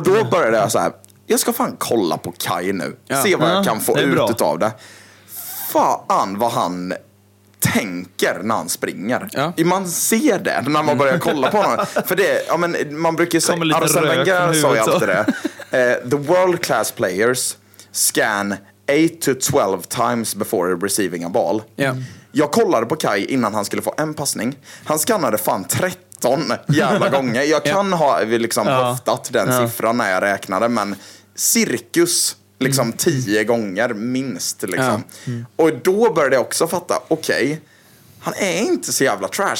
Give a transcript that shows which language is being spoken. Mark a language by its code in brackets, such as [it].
[sv] Och då började jag så här... Jag ska fan kolla på Kai nu. Ja. Se vad jag kan få ut av det. Fan vad han tänker när han springer. Ja. Man ser det när man börjar kolla på honom. För det, ja, men man brukar säga, Arsene Wenger sa ju alltid det. [en] The world class players scan 8-12 times before receiving a ball. [sv] Ja. Jag kollade på Kai innan han skulle få en passning. Han scannade fan 30. Jävla gånger. Jag kan ha liksom höftat den siffran när jag räknade, men cirkus liksom 10 gånger minst liksom. Ja. Mm. Och då började jag också fatta, okej, han är inte så jävla trash.